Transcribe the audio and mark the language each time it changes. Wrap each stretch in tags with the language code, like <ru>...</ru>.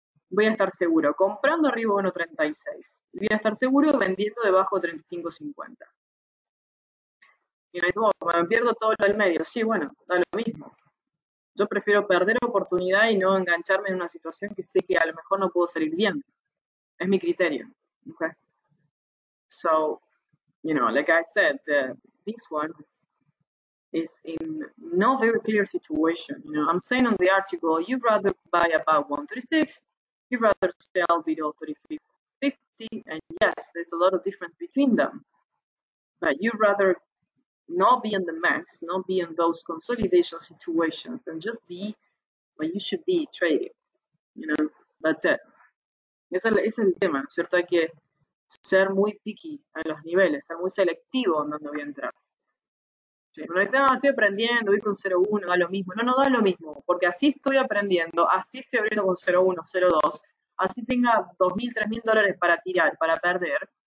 <es>Voy a estar seguro comprando arriba de 1.36. Voy a estar seguro vendiendo debajo de 35.50. Y me dice, bueno, me pierdo todo lo del medio. Sí, bueno, da lo mismo. Yo prefiero perder oportunidad y no engancharme en una situación que sé que a lo mejor no puedo salir bien. Es mi criterio. Okay.</es> <en>So, you know, like I said, this one is in no very clear situation. You know, I'm saying on the article, you'd rather buy above 136, you'd rather sell below 3550, and yes, there's a lot of difference between them. But you'd rather not be in the mess, not be in those consolidation situations, and just be where you should be trading. You know, that's it.</en> <es>Ese es el tema, ¿cierto? Hay que ser muy picky en los niveles, ser muy selectivo en donde voy a entrar. Sí, uno dice, no, estoy aprendiendo, voy con 0,1, da lo mismo. No, no da lo mismo, porque así estoy aprendiendo, así estoy abriendo con 0,1, 0,2, así tenga 2.000, $3.000 para tirar, para perder.</es>